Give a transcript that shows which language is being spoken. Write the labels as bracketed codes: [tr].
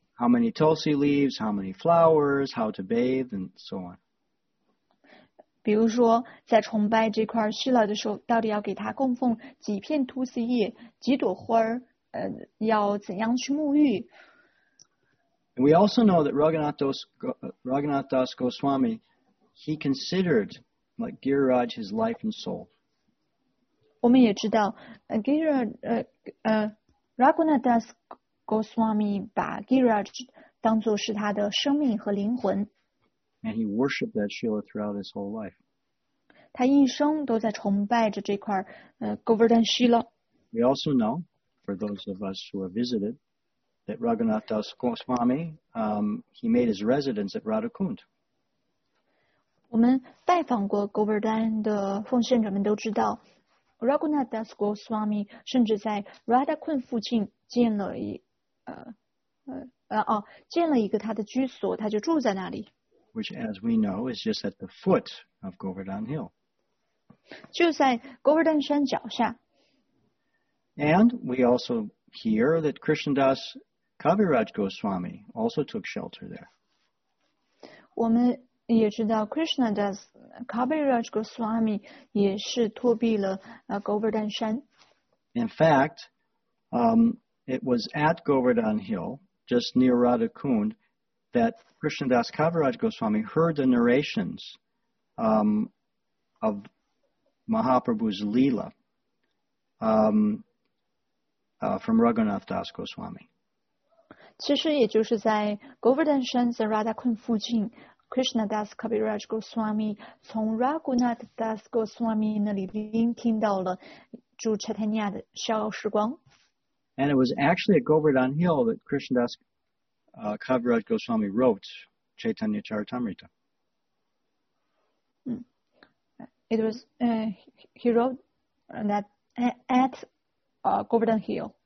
[en] How many tulsi leaves, how many flowers, how to bathe, and so on. [zh] 比如说在崇拜这块 Shila 的时候到底要给他供奉几片 Tulsi 叶几朵花要怎样去沐浴。 [en] And we also know that Raghunath Das Goswami, he considered like Giriraj his life and soul. [zh] 我们也知道 Raghunath Das Goswami 把 Giriraj 当作是他的生命和灵魂。 [en] And he worshipped that Shila throughout his whole life. [zh] 他一生都在崇拜着这块Govardhan Shila. [en] We also know, for those of us who have visited, that Raghunath Das Goswami, he made his residence at Radhakund. [zh] 我们拜访过 Govardhan 的奉献者们都知道 Raghunath Das Goswami 甚至在 Radhakund 附近建了一个他的居所他就住在那里。 [en] Which, as we know, is just at the foot of Govardhan Hill. [zh] 就在 Govardhan 山脚下。 [en] And we also hear that Krishnadas Kaviraj Goswami also took shelter there. [zh] 我们也知道 Krishnadas Kaviraj Goswami 也是托庇了Govardhan 山。 [en] In fact, it was at Govardhan Hill, just near Radhakund,that Krishnadas Kaviraj Goswami heard the narrations of Mahaprabhu's Leela from Raghunath Das Goswami. [zh] 其实也就是在 Govardhan 山在 Radhakund 附近 Krishnadas Kaviraj Goswami 从 Raghunath Das Goswami 那里聆听到了主 Chaitanya 的逍遥时光。 [en] And it was actually at Govardhan Hill that Krishnadas Kaviraj Goswami wrote Chaitanya Charitamrita. It was, he wrote that at Govardhan Hill.